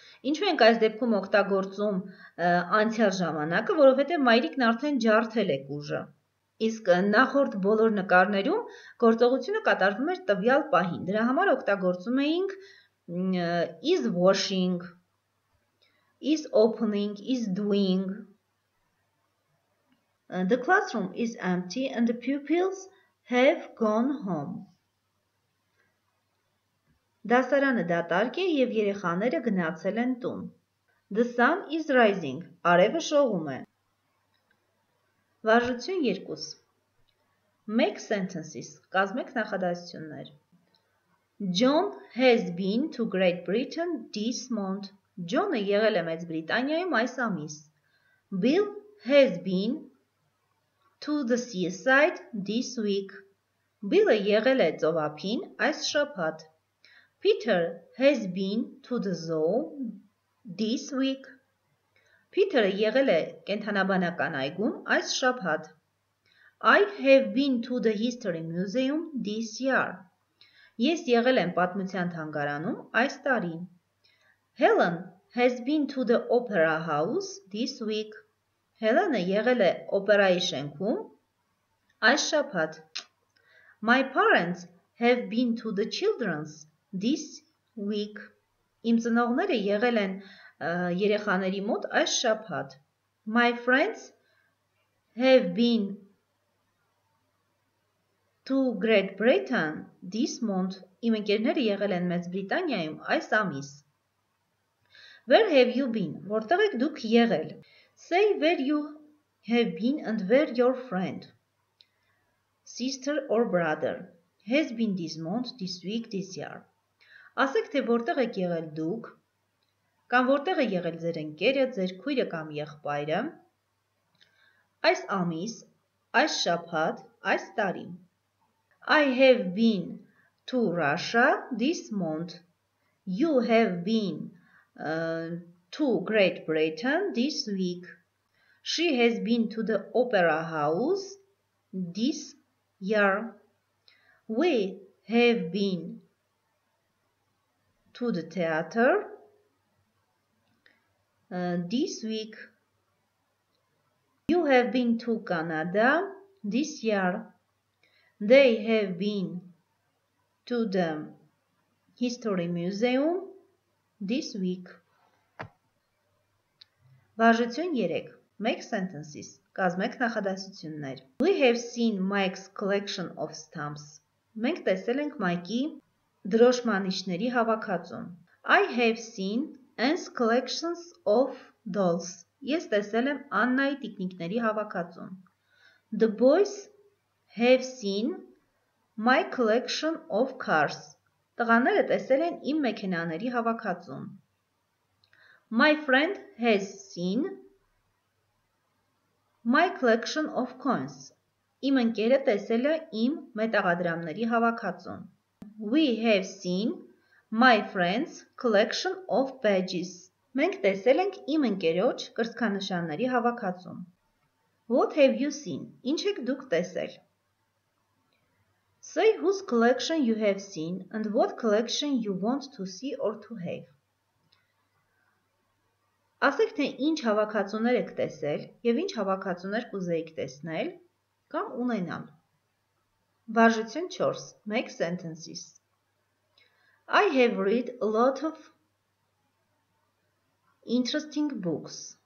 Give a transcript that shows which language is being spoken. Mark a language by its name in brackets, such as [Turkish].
[Armenian] Ինչու ենք այս դեպքում օգտագործում անցյալ ժամանակը, որովհետև մայրիկն արդեն ջարդել է կուժը. Իսկ նախորդ բոլոր նկարներում գործողությունը կատարվում էր տվյալ պահին, դրա համար օգտագործում էինք [English] is washing, is opening, is doing. The classroom is empty and the pupils have gone home. [Armenian] Դասարանը դատարկ է և երեխաները գնացել են տուն. [English] The sun is rising. [Armenian] Արևը շողում է. Վարժություն 2. [English] Make sentences. [Armenian] Կազմեք նախադասություններ. [English] John has been to Great Britain this month. [Armenian] John-ը եղել է Մեծ Բրիտանիայում այս ամիս. [English] Bill has been to the seaside this week. [Armenian] Bill-ը եղել է ծովափին այս շաբաթ. [English] Peter has been to the zoo this week. [Armenian] Peter-ը եղել է կենդանաբանական այգում այս շաբաթ. [English] I have been to the history museum this year. [Armenian] Ես եղել եմ պատմության թանգարանում այս տարի. [English] Helen has been to the opera house this week. [Armenian] Helen-ը եղել է օպերայի շենքում այս շաբաթ. [English] My parents have been to the children's this week. [Armenian] Իմ ծնողները եղել են երեխաների մոտ այս շաբաթ. [English] My friends have been to Great Britain this month. [Armenian] Իմ ընկերները եղել են Մեծ Բրիտանիայում այս ամիս. [English] Where have you been? [Armenian] Որտեղ եք դուք եղել? [English] Say where you have been and where your friend, sister or brother has been this month, this week, this year. [Armenian] Ասեք, թե որտեղ եք եղել դուք, կամ որտեղ է եղել ձեր ընկերը, ձեր քույրը կամ եղբայրը, այս ամիս, այս շաբաթ, այս տարի. [English] I have been to Russia this month. You have been to Great Britain this week. She has been to the opera house this year. We have been to the theater this week. You have been to Canada this year. They have been to the history museum this week. [Armenian] Վարժություն 3. [English] Make sentences. [Armenian] Կազմեք նախադասություններ. [English] We have seen Mike's collection of stamps. [Armenian] Մենք տեսել ենք Mike-ի դրոշմանիշների հավաքածուն. [English] I have seen Anne's collections of dolls. [Armenian] Ես տեսել եմ Աննայի տիկնիկների հավաքածուն. [English] The boys have seen my collection of cars. [Armenian] Տղաները տեսել են իմ մեքենաների հավաքածուն. [English] My friend has seen my collection of coins. [Armenian] Իմ ընկերը տեսել է իմ մետաղադրամների հավաքածուն. [English] We have seen my friend's collection of badges. [Armenian] Մենք տեսել ենք իմ ընկերոջ կրծքանշանների հավաքածուն. [English] What have you seen? [Armenian] Ինչ եք դուք տեսել? [English] Say whose collection you have seen and what collection you want to see or to have. [Armenian] Ասեք, թե ինչ հավաքածուներ եք տեսել և ինչ հավաքածուներ կուզեիք տեսնել կամ ունենալ. Վարժություն 4. [English] Make sentences. I have read a lot of interesting books.